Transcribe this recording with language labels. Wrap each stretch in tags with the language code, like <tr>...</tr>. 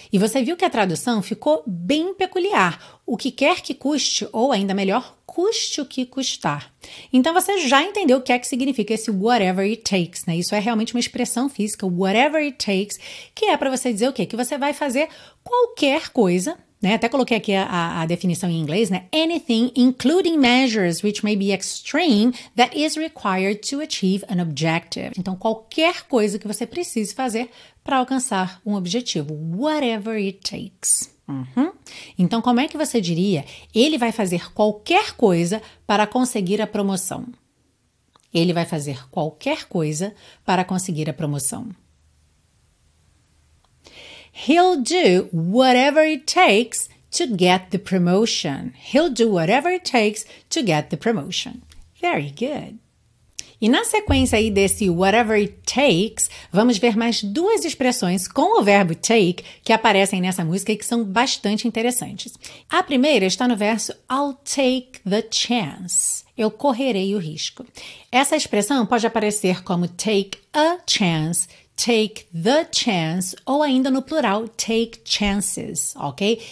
<pt>E você viu que a tradução ficou bem peculiar. O que quer que custe, ou ainda melhor, custe o que custar. Então você já entendeu o que é que significa esse</pt> <en>whatever it takes,</en> <pt>né? Isso é realmente uma expressão física, whatever it takes, que é para você dizer o quê? Que você vai fazer qualquer coisa, né? Até coloquei aqui a definição em inglês, né?</pt> <en>Anything, including measures which may be extreme, that is required to achieve an objective.</en> <pt>Então, qualquer coisa que você precise fazer para alcançar um objetivo,</pt> <en>whatever it takes.</en> <pt>Então, como é que você diria? Ele vai fazer qualquer coisa para conseguir a promoção. Ele vai fazer qualquer coisa para conseguir a promoção.</pt> <en>He'll do whatever it takes to get the promotion. He'll do whatever it takes to get the promotion. Very good.</en> <pt>E na sequência aí desse</pt> <en>whatever it takes,</en> <pt>vamos ver mais duas expressões com o verbo take que aparecem nessa música e que são bastante interessantes. A primeira está no verso</pt> <en>I'll take the chance.</en> <pt>Eu correrei o risco. Essa expressão pode aparecer como</pt> <en>take a chance, take the chance</en> <pt>ou ainda no plural</pt> <en>take chances,</en> <pt>ok?</pt>